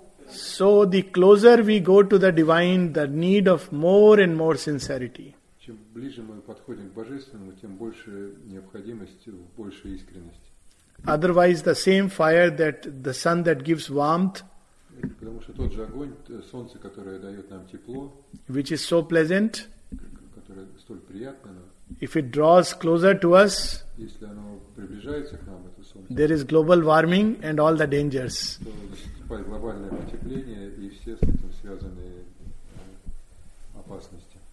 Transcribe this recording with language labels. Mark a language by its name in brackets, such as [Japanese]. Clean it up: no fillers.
[English] So the closer we go to the divine, the need of more and more sincerity. [Russian] Чем ближе мы подходим к божественному, тем больше необходимость в большей искренности. [English] Otherwise, the same fire that the sun that gives warmth, [Russian] потому что тот же огонь, солнце, которое дает нам тепло, [English] which is so pleasant, [Russian] которое столь приятно, но [English] if it draws closer to us, [Russian] если оно приближается к нам, это солнце, [English] there is global warming and all the dangers. [Russian] Глобальное потепление и все с этим связанные опасности.